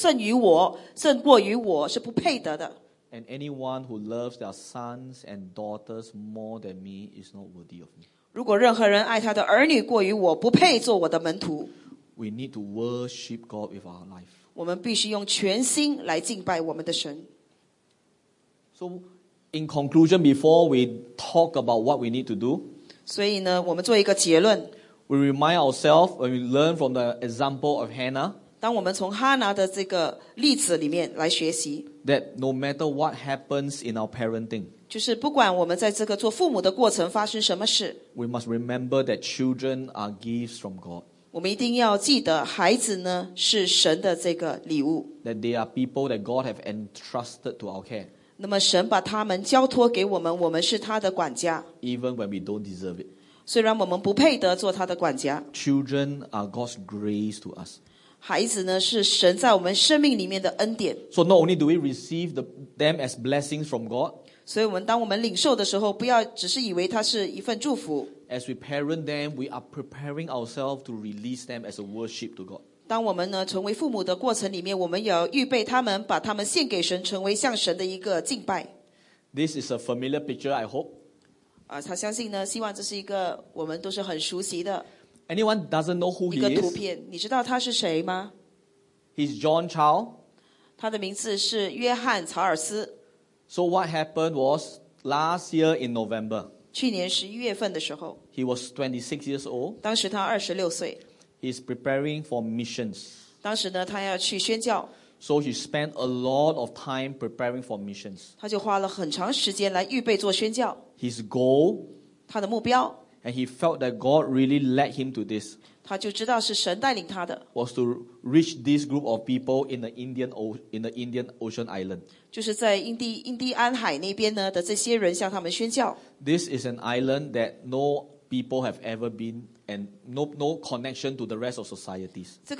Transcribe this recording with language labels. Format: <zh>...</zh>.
<zh>就是任何人如果爱他的父母胜于我,胜过于我是不配得的。</zh> <en>And anyone who loves their sons and daughters more than me is not worthy of me.</en> <zh>如果任何人爱他的儿女过于我,不配做我的门徒。</zh> <en>We need to worship God with our life.</en> <zh>我们必须用全心来敬拜我们的神。</zh> <en>So, in conclusion, before we talk about what we need to do,</en> <zh>所以呢，我们做一个结论。</zh> <en>We remind ourselves when we learn from the example of Hannah.</en> <zh>当我们从哈拿的这个例子里面来学习。</zh> <en>That no matter what happens in our parenting,</en> <zh>就是不管我们在这个做父母的过程发生什么事,</zh> <en>we must remember that children are gifts from God.</en> <zh>我们一定要记得孩子呢是神的这个礼物。</zh> <en>That they are people that God has entrusted to our care.</en> <zh>那么神把他们交托给我们，我们是他的管家。</zh> <en>Even when we don't deserve it.</en> <zh>虽然我们不配得做他的管家。</zh> <en>Children are God's grace to us.</en> <zh>孩子呢是神在我们生命里面的恩典。</zh> <en>So not only do we receive them as blessings from God,</en> <zh>所以我们当我们领受的时候，不要只是以为它是一份祝福。</zh> <en>As we parent them, we are preparing ourselves to release them as a worship to God.</en> <zh>当我们呢成为父母的过程里面，我们要预备他们，把他们献给神，成为向神的一个敬拜。</zh> <en>This is a familiar picture, I hope.</en> <zh>他相信呢，希望这是一个我们都是很熟悉的。</zh> <en>Anyone doesn't know who he is?</en> <zh>一个图片，你知道他是谁吗？</zh> <en>He's John Chow.</en> <zh>他的名字是约翰·查尔斯。</zh> <en>So what happened was last year in November.</en> <zh>去年11月份的时候。</zh> <en>He was 26 years old.</en> <zh>当时他26岁。</zh> <en>He's preparing for missions.</en> <zh>当时呢，他要去宣教。</zh> <en>So he spent a lot of time preparing for missions.</en> <zh>他就花了很长时间来预备做宣教。</zh> <en>His goal.</en> <zh>他的目标。</zh> <en>And he felt that God really led him to this.</en> <zh>他就知道是神带领他的。</zh> <en>Was to reach this group of people in the Indian Ocean island.</en> <zh>就是在印第安海那边呢的这些人向他们宣教。</zh> <en>This is an island that no people have ever been and no connection to the rest of societies.</en>